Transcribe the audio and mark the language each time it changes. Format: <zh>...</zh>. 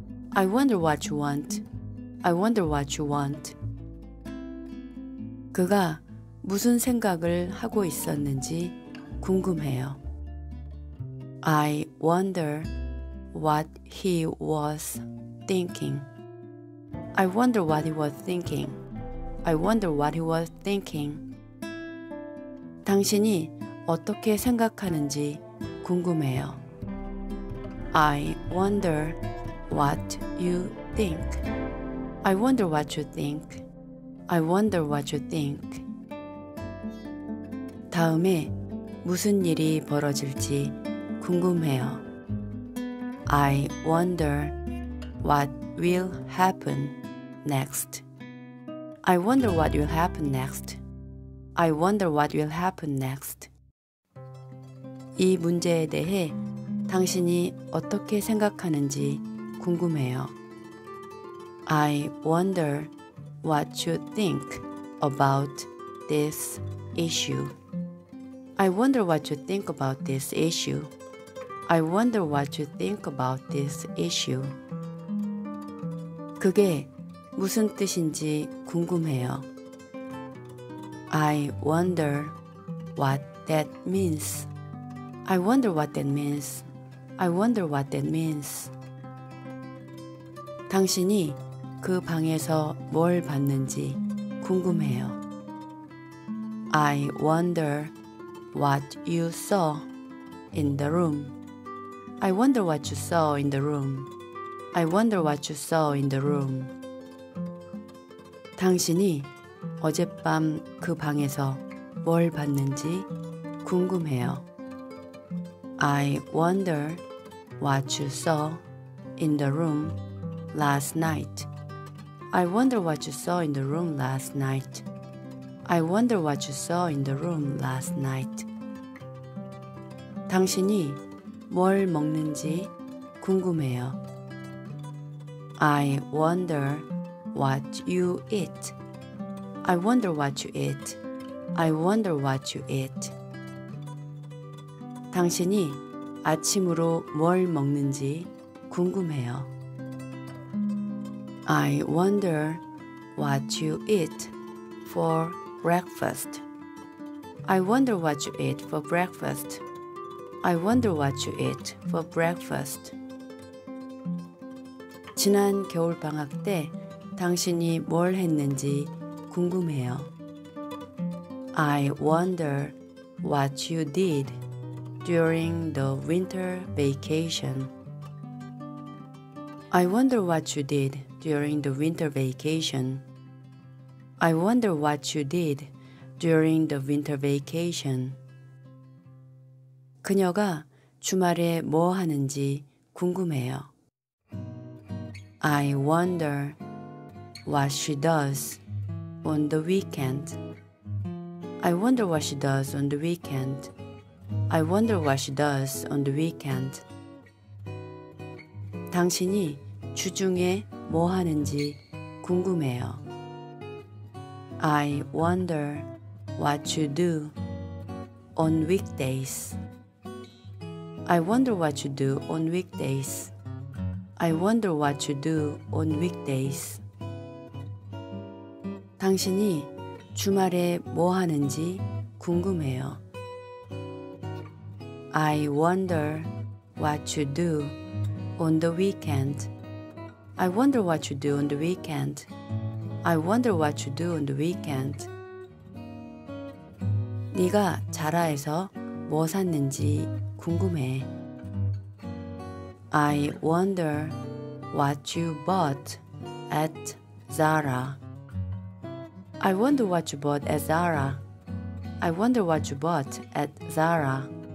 <en>I wonder what you want. I wonder what you want.</en> <ko>그가 무슨 생각을 하고 있었는지 궁금해요.</ko> <en>I wonder what he was thinking. I wonder what he was thinking. I wonder what he was thinking.</en> <ko>당신이 어떻게 생각하는지 궁금해요.</ko> <en>I wonder what you think. I wonder what you think. I wonder what you think.</en> <ko>다음에 무슨 일이 벌어질지 궁금해요.</ko> <en>I wonder what will happen next. I wonder what will happen next. I wonder what will happen next.</en> <ko>이 문제에 대해 당신이 어떻게 생각하는지 궁금해요.</ko> <en>I wonder what you think about this issue. I wonder what you think about this issue. I wonder what you think about this issue.</en> <ko>그게 무슨 뜻인지 궁금해요.</ko> <en>I wonder what that means. I wonder what that means. I wonder what that means.</en> <ko>당신이 그 방에서 뭘 봤는지 궁금해요.</ko> <en>I wonder what you saw in the room. I wonder what you saw in the room. I wonder what you saw in the room.</en> <ko>당신이 어젯밤 그 방에서 뭘 봤는지 궁금해요.</ko> <en>I wonder what you saw in the room last night. I wonder what you saw in the room last night. I wonder what you saw in the room last night.</en> <ko>당신이 뭘 먹는지 궁금해요.</ko> <en>I wonder what you eat. I wonder what you eat. I wonder what you eat.</en> <ko>당신이 아침으로 뭘 먹는지 궁금해요.</ko> <en>I wonder what you eat for breakfast. I wonder what you eat for breakfast. I wonder what you eat for breakfast.</en> <ko>지난 겨울방학 때 당신이 뭘 했는지 궁금해요.</ko> <en>I wonder what you did during the winter vacation. I wonder what you did during the winter vacation. I wonder what you did during the winter vacation.</en> <ko>그녀가 주말에 뭐 하는지 궁금해요.</ko> <en>I wonder what she does on the weekend. I wonder what she does on the weekend. I wonder what she does on the weekend.</en> <ko>당신이 주중에 뭐 하는지 궁금해요.</ko> <en>I wonder what you do on weekdays. I wonder what you do on weekdays. I wonder what you do on weekdays.</en> <ko>당신이 주말에 뭐 하는지 궁금해요.</ko> <en>I wonder what you do on the weekend. I wonder what you do on the weekend. I wonder what you do on the weekend.</en> <ko>네가 자라에서 뭐 샀는지 궁금해.</ko> <en>I wonder what you bought at Zara. I wonder what you bought at Zara. I wonder what you bought at Zara.</en>